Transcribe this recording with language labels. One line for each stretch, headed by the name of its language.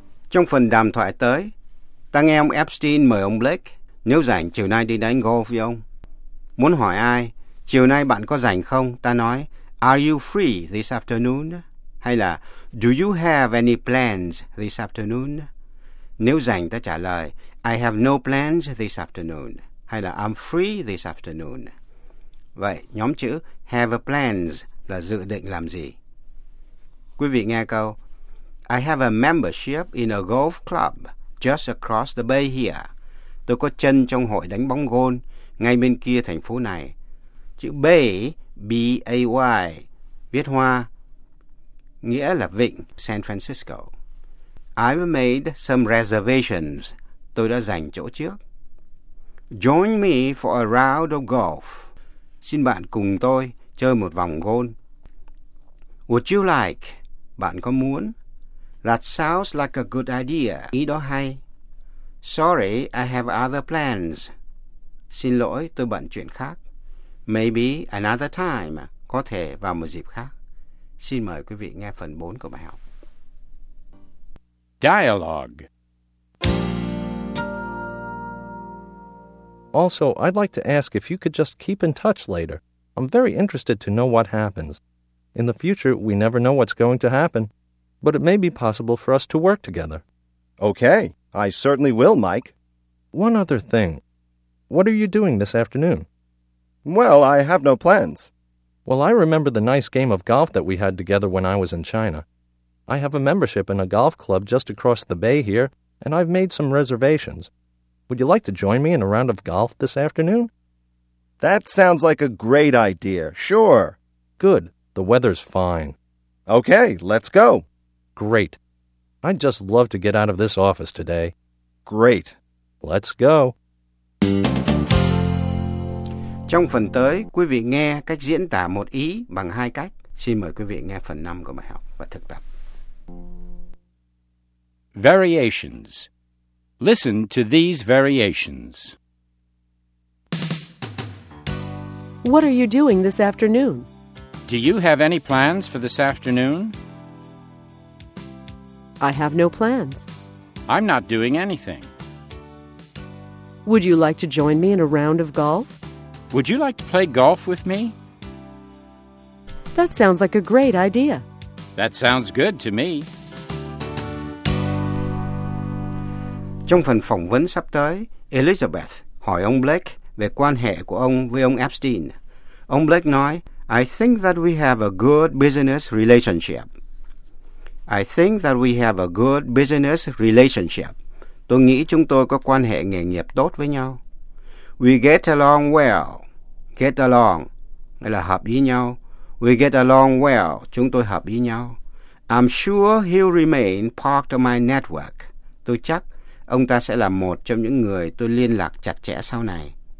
Vietnamese: Trong phần đàm thoại tới, ta nghe ông Epstein mời ông Blake nếu rảnh chiều nay đi đánh golf với ông. Muốn hỏi ai, chiều nay bạn có rảnh không? Ta nói,
English: are you free this afternoon?
Vietnamese: Hay là,
English: do you have any plans this afternoon?
Vietnamese: Nếu rảnh ta trả lời,
English: I have no plans this afternoon.
Vietnamese: Hay là,
English: I'm free this afternoon.
Vietnamese: Vậy, nhóm chữ
English: have a plans
Vietnamese: là dự định làm gì? Quý vị nghe câu,
English: I have a membership in a golf club just across the bay here.
Vietnamese: Tôi có chân trong hội đánh bóng golf ngay bên kia thành phố này. Chữ bay, B-A-Y, viết hoa, nghĩa là vịnh San Francisco.
English: I've made some reservations.
Vietnamese: Tôi đã dành chỗ trước.
English: Join me for a round of golf.
Vietnamese: Xin bạn cùng tôi chơi một vòng golf.
English: Would you like?
Vietnamese: Bạn có muốn?
English: That sounds like a good idea.
Vietnamese: Ý đó hay.
English: Sorry, I have other plans.
Vietnamese: Xin lỗi, tôi bận chuyện khác.
English: Maybe another time.
Vietnamese: Có thể vào một dịp khác. Xin mời quý vị nghe phần 4 của bài học.
English: Dialogue. Also, I'd like to ask if you could just keep in touch later. I'm very interested to know what happens. In the future, we never know what's going to happen. But it may be possible for us to work together. Okay, I certainly will, Mike. One other thing. What are you doing this afternoon? Well, I have no plans. Well, I remember the nice game of golf that we had together when I was in China. I have a membership in a golf club just across the bay here, and I've made some reservations. Would you like to join me in a round of golf this afternoon? That sounds like a great idea. Sure. Good. The weather's fine. Okay, let's go. Great. I'd just love to get out of this office today. Great. Let's go. Trong phần tới, quý vị nghe cách diễn tả một ý bằng hai cách. Xin mời quý vị nghe phần 5 của bài học và thực tập. Variations. Listen to these variations. What are you doing this afternoon? Do you have any plans for this afternoon? I have no plans. I'm not doing anything. Would you like to join me in a round of golf? Would you like to play golf with me? That sounds like a great idea. That sounds good to me.
Vietnamese: Trong phần phỏng vấn sắp tới, Elizabeth hỏi ông Blake về quan hệ của ông với ông Epstein. Ông Blake nói,
English: I think that we have a good business relationship. I think that we have a good business relationship.
Vietnamese: Tôi nghĩ chúng tôi có quan hệ nghề nghiệp tốt với nhau.
English: We get along well. Get along
Vietnamese: là hợp ý nhau.
English: We get along well.
Vietnamese: Chúng tôi hợp ý nhau.
English: I'm sure he'll remain part of my network.
Vietnamese: Tôi chắc ông ta sẽ là một trong những người tôi liên lạc chặt chẽ sau này.